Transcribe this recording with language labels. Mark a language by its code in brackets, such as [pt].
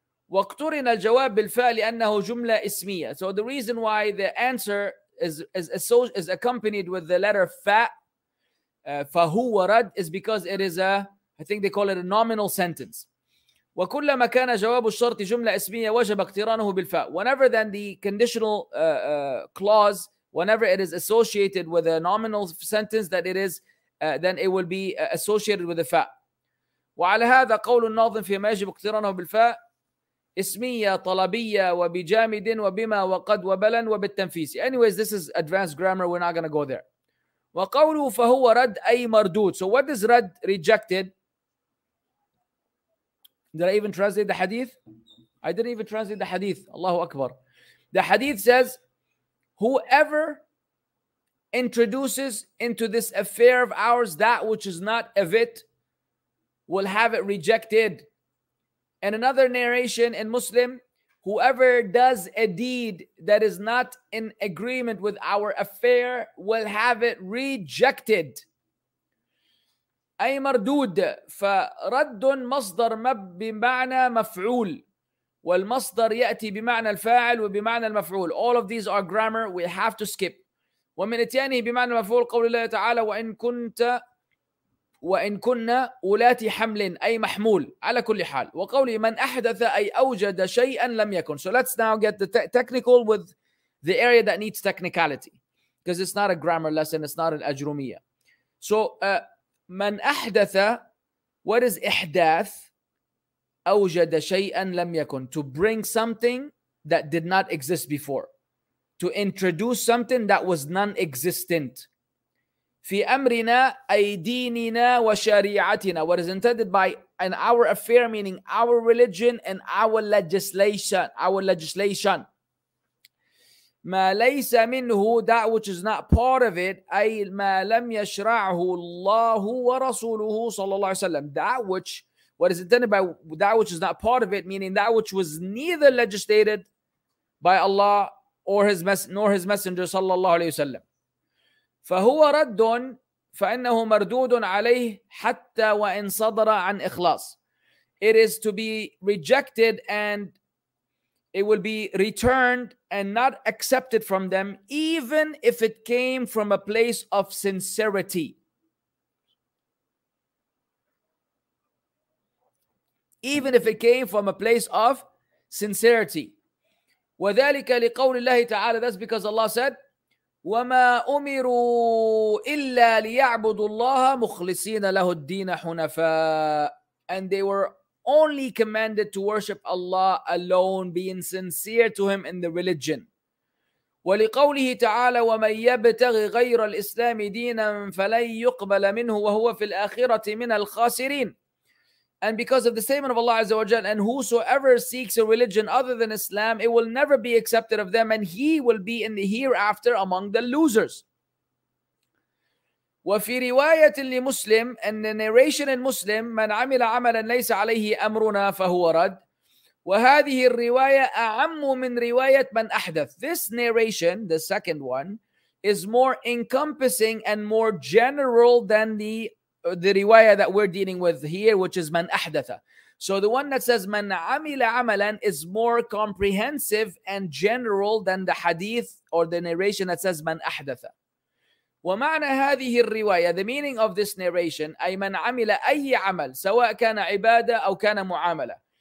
[ar] واقترن الجواب بالفاء لأنه جملة اسمية. [en] So the reason why the answer is accompanied with the letter فاء, [ar] فهو رد, [en] is because it is a nominal sentence. [ar] وكلما كان جواب الشرط جملة اسمية وجب اقترانه بالفاء. [en] Whenever then the conditional clause, whenever it is associated with a nominal sentence, that it is then it will be associated with the fa. [ar] وعلى هذا قول الناظم فيما يجب اقترانه بالفاء اسمية طلبية وبجامد وبما وقد وبلا وبالتنفيس. [en] Anyways, this is advanced grammar. We're not going to go there. [ar] وقوله فهو رد أي مردود. [en] So what is رد rejected? Did I even translate the hadith? I didn't even translate the hadith. Allahu Akbar. The hadith says, whoever introduces into this affair of ours that which is not of it, will have it rejected. And another narration in Muslim, whoever does a deed that is not in agreement with our affair will have it rejected. [ar] أي مردود فرد مصدر بمعنى مفعول والمصدر يأتي بمعنى الفاعل وبمعنى المفعول. [en] All of these are grammar. We have to skip. [ar] ومن اتيانه بمعنى المفعول قول الله تعالى وإن كنا أولات حمل أي محمول على كل حال وقولي من أحدث أي أوجد شيئا لم يكن. [en] So let's now get the technical with the area that needs technicality, because it's not a grammar lesson, it's not an أجرومية. So [ar] من أحدث, [en] what is إحداث؟ [ar] أوجد شيئا لم يكن, [en] to bring something that did not exist before, to introduce something that was non-existent. [ar] في أمرنا أي ديننا وشريعتنا, [en] what is intended by an our affair, meaning our religion and our legislation. Our legislation. [ar] ما ليس منه, [en] that which is not part of it, [ar] أي ما لم يشرعه الله ورسوله صلى الله عليه وسلم. [en] That which, what is intended by that which is not part of it, meaning that which was neither legislated by Allah or his nor his messenger صلى الله عليه وسلم. [ar] فهو رد فإنه مردود عليه حتى وإن صدر عن إخلاص. [en] It is to be rejected and it will be returned and not accepted from them even if it came from a place of sincerity. Even if it came from a place of sincerity. [ar] وذلك لقول الله تعالى, [en] that's because Allah said [ar] وَمَا أُمِرُوا إِلَّا لِيَعْبُدُوا اللَّهَ مُخْلِصِينَ لَهُ الدِّينَ حُنَفَاءَ. [en] And they were only commanded to worship Allah alone, being sincere to Him in the religion. [ar] وَلِقَوْلِهِ تَعَالَى وَمَنْ يَبْتَغِ غَيْرَ الْإِسْلَامِ دِينًا فَلَنْ يُقْبَلَ مِنْهُ وَهُوَ فِي الْآخِرَةِ مِنَ الْخَاسِرِينَ. [en] And because of the statement of Allah Azza wa Jal, and whosoever seeks a religion other than Islam, it will never be accepted of them, and he will be in the hereafter among the losers. [ar] وفي رواية لمسلم, [en] and the narration in Muslim, [ar] من عمل عملا ليس عليه أمرنا فهو رد. وهذه الرواية أعم من رواية من أحدث. [en] This narration, the second one, is more encompassing and more general than the riwayah that we're dealing with here, which is man ahdatha. So the one that says man amila amalan is more comprehensive and general than the hadith or the narration that says man ahdatha. [ar] ومعنى هذه الرواية, [en] the meaning of this narration, [ar] أي من عمل أي عمل سواء كان عبادة أو كان معاملة.